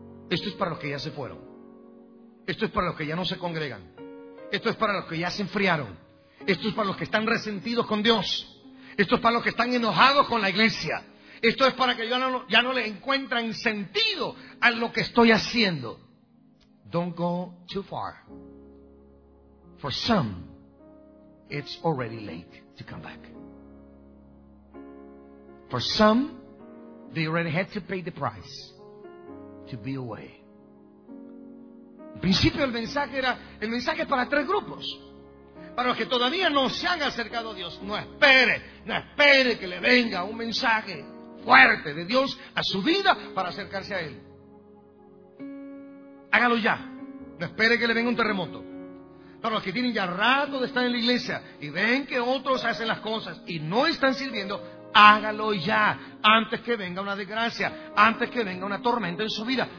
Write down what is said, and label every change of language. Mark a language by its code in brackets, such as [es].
[es] Esto es para los que ya se fueron. Esto es para los que ya no se congregan. Esto es para los que ya se enfriaron. Esto es para los que están resentidos con Dios. Esto es para los que están enojados con la iglesia. Esto es para que ya no le encuentran sentido a lo que estoy haciendo. [en] Don't go too far. For some, it's already late to come back. For some, they already had to pay the price to be away. [es] Al principio el mensaje para tres grupos. Para los que todavía no se han acercado a Dios, no espere que le venga un mensaje fuerte de Dios a su vida para acercarse a Él. Hágalo ya, no espere que le venga un terremoto. Para los que tienen ya rato de estar en la iglesia y ven que otros hacen las cosas y no están sirviendo, hágalo ya, antes que venga una desgracia, antes que venga una tormenta en su vida.